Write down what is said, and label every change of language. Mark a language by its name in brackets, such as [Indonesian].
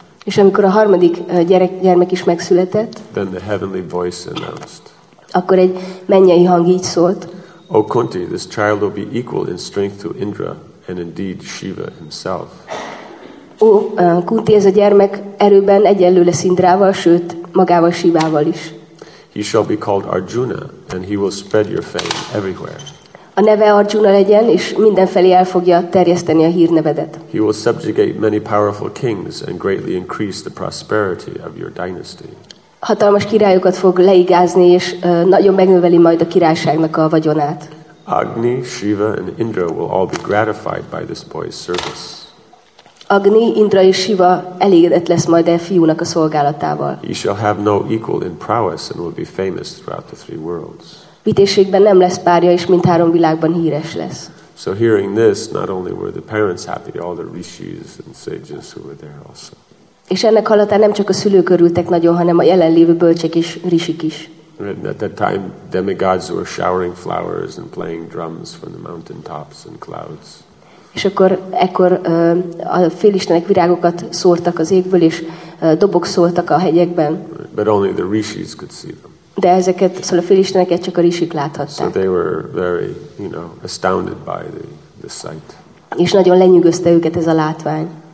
[Hungarian] és amikor a harmadik gyermek is megszületett, [English] then the heavenly voice announced, [Hungarian] akkor egy mennyei hang így szólt. [English] O Kunti, this child will be equal in strength to Indra and indeed Shiva himself. [Hungarian] O Kunti, ez a gyermek erőben egyenlő lesz Indrával, sőt magával Shivával is. [English] He shall be called Arjuna and he will spread your fame everywhere. [Hungarian] A neve Arjuna legyen, és mindenfelé el fogja terjeszteni a hírnevedet. [English] He will subjugate many powerful kings and greatly increase the prosperity of your dynasty. [Hungarian] Hatalmas királyokat fog leigázni, és nagyon megnöveli majd a királyságnak a vagyonát. [English] Agni, Shiva and Indra will all be gratified by this boy's service. [Hungarian] Agni, Indra és Shiva elégedett lesz majd a fiúnak a szolgálatával. [English] He shall have no equal in prowess and will be famous throughout the three worlds. [Hungarian] Vitézségben nem lesz párja, és mindhárom világban híres lesz. [English] So hearing this, not only were the parents happy, all the rishis and sages who were there also. [Hungarian] És ennek hallatán nem csak a szülők örültek nagyon, hanem a jelenlévő bölcsek és rishik is. [English] And at that time, demigods were showering flowers and playing drums from the mountain tops and clouds. [Hungarian] És akkor ekkor a félistenek virágokat szórtak az égből, és dobok szóltak a hegyekben. [English] But only the rishis could see them. [Hungarian] De ezeket, szóval a félisteneket csak a rishik láthatták. [English] So they were very, you know, astounded by the sight. [Hungarian] És nagyon lenyűgözte őket ez a látvány.